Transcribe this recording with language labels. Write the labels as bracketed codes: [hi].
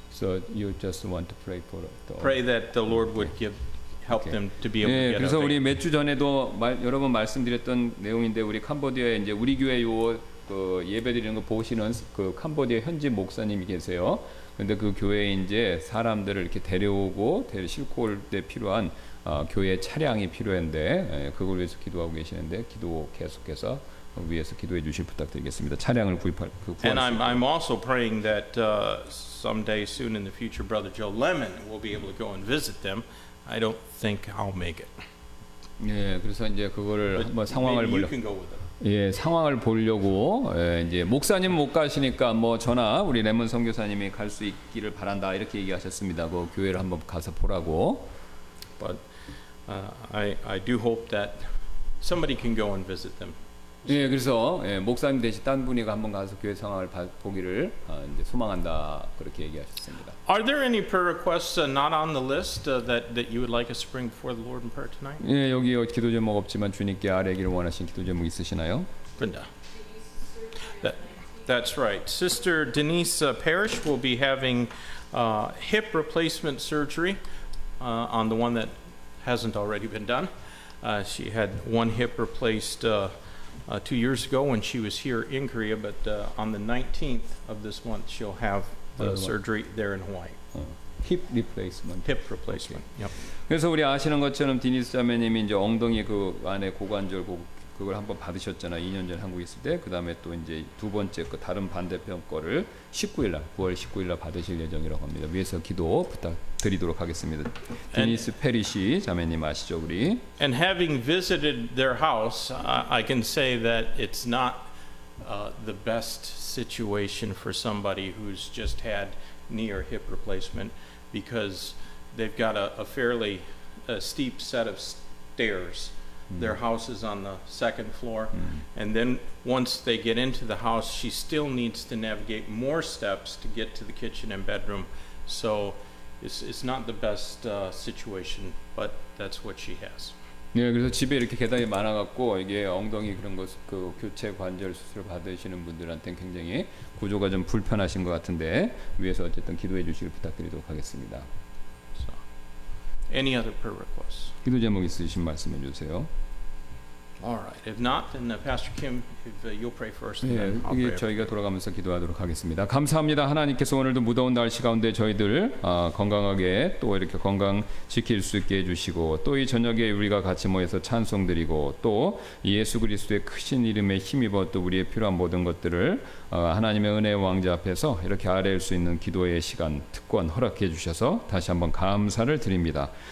[en] So you just want to pray for the pray that the Lord would okay. give help okay. them to be able [ko] 네, [en] to get [ko] 그래서 우리 몇 주 전에도 여러 번 말씀드렸던 내용인데 우리 캄보디아에 이제 우리 교회 요 그 예배드리는 거 보시는 그 캄보디아 현지 목사님이 계세요. 근데 그 교회에 이제 사람들을 이렇게 데려오고 실고 올 때 필요한 교회 차량이 필요한데 그걸 위해서 기도하고 계시는데 기도 계속해서 위해서 기도해 주실 부탁드리겠습니다. 차량을 구입할 그 [en] And I'm also praying that someday soon in the future brother Joe Lemon will be able to go and visit them. I don't think I'll make it. [ko] 예, 그래서 이제 그거를 한번 상황을 몰라. 예, 상황을 보려고 예, 이제 목사님 못 가시니까 뭐 저나 우리 레몬 선교사님이 갈 수 있기를 바란다 이렇게 얘기하셨습니다. 그 교회를 한번 가서 보라고. [en] But I do hope that somebody can go and visit them. [ko] 예, 그래서 예, 목사님 대신 딴 분이 한번 가서 교회 상황을 보기를 이제 소망한다 그렇게 얘기하셨습니다. [en] Are there any prayer requests not on the list that you would like us to bring before the Lord in prayer tonight? [ko] 예, 여기 기도 제목 없지만 주님께 아뢰기를 원하신 기도 제목 있으시나요? 그런다. [en] That's right. Sister Denise Parrish will be having hip replacement surgery on the one that hasn't already been done. She had one hip replaced. 2 years ago when she was here in Korea but on the 19th of this month she'll have the surgery there in Hawaii. Hip replacement. Hip replacement. Okay. Yep. [ko] 그래서 우리 아시는 것처럼 디니스 자매님이 이제 엉덩이 그 안에 고관절 그걸 한번 받으셨잖아요. 2년 전 한국에 있을 때 그다음에 또 이제 두 번째 그 다른 반대편 거를 19일 날 9월 19일 날 받으실 예정이라고 합니다. 위에서 기도 부탁드리도록 하겠습니다. 디니스 페리시 자매님 아시죠, 우리? [en] And having visited their house, I can say that it's not the best situation for somebody who's just had knee or hip replacement because they've got a fairly steep set of stairs. Their house is on the second floor. And then once they get into the house, she still needs to navigate more steps to get to the kitchen and bedroom. So it's not the best situation, but that's what she has. [ko] 네, 그래서 집에 이렇게 계단이 많아갖고 이게 엉덩이 그런 것, 그 교체 관절 수술 받으시는 분들한테는 굉장히 구조가 좀 불편하신 것 같은데 위에서 어쨌든 기도해 주시길 부탁드리도록 하겠습니다. [en] Any other prayer requests? [ko] 기도 제목 있으신 말씀해 주세요. [en] All right. If not, then Pastor Kim, if you'll pray first, then I'll pray. [ko] 예, 저희가 돌아가면서 기도하도록 하겠습니다. 감사합니다. 하나님께서 오늘도 무더운 날씨 가운데 저희들 건강하게 또 이렇게 건강 지킬 수 있게 해주시고 또 이 저녁에 우리가 같이 모여서 찬송 드리고 또 예수 그리스도의 크신 이름에 힘입어 또 우리의 필요한 모든 것들을 하나님의 은혜의 왕자 앞에서 이렇게 아뢰일 수 있는 기도의 시간 특권 허락해 주셔서 다시 한번 감사를 드립니다.